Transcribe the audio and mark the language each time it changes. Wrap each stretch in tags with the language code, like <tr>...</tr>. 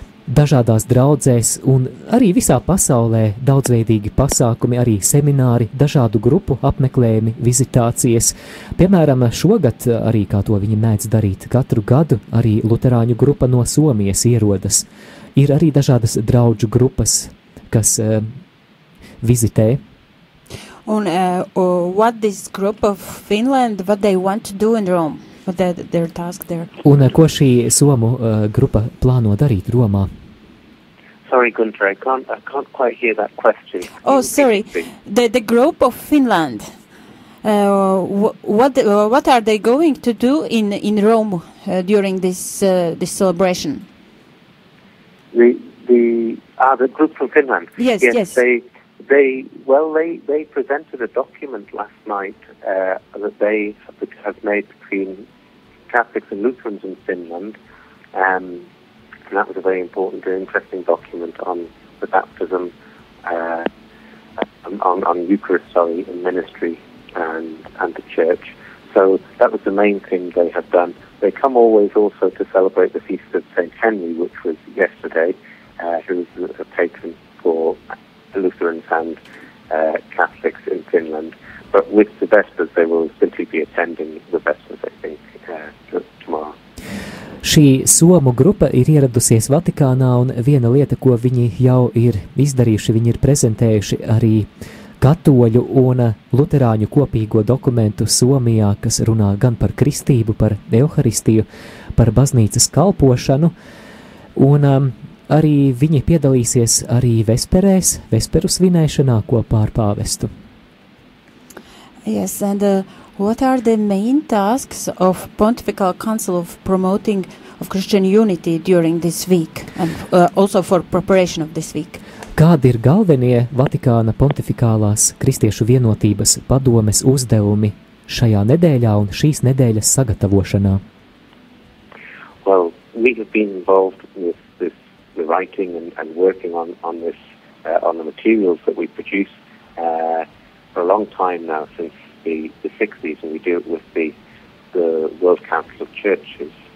<lv>Dažādās draudzēs un arī visā pasaulē daudzveidīgi pasākumi, arī semināri, dažādu grupu apmeklējumi, vizitācijas. Piemēram, šogad, arī kā to viņi mēdz darīt katru gadu, arī luterāņu grupa no Somijas ierodas. Ir arī dažādas draudžu grupas, kas vizitē.</lv> <en>Un what this group of Finland, what they want to do in Rome? Their task there.</en> <lv>Un ko šī Somu grupa plāno darīt Romā?</lv> <en>Sorry, Gunter, I can't quite hear that question. Oh, sorry. The group of Finland. What are they going to do in Rome during this celebration? The group from Finland. Yes. They presented a document last night that they have made between Catholics and Lutherans in Finland, and that was a very important and interesting document on the baptism, on Eucharist, and ministry and the church. So that was the main thing they had done. They come always also to celebrate the feast of St. Henry, which was yesterday, who was a patron for Lutherans and Catholics in Finland. But with the Vespers, they will simply be attending the Vespers, I think, tomorrow.</en> <lv>Šī Somu grupa ir ieradusies Vatikānā, un viena lieta, ko viņi jau ir izdarījuši, viņi ir prezentējuši arī katoļu un luterāņu kopīgo dokumentu Somijā, kas runā gan par kristību, par euharistiju, par baznīcas kalpošanu, un arī viņi piedalīsies arī vesperēs, vesperu svinēšanā kopā ar pāvestu.</lv> <en>Yes, and what are the main tasks of Pontifical Council of promoting of Christian unity during this week and also for preparation of this week?</en> <lv>Kādi ir galvenie Vatikāna pontifikālās kristiešu vienotības padomes uzdevumi šajā nedēļā un šīs nedēļas sagatavošanā?</lv> <en>Well, we have been involved with this, the writing and working on this on the materials that we produce for a long time now, since the 60s, and we do it with the World Council of Churches.</en>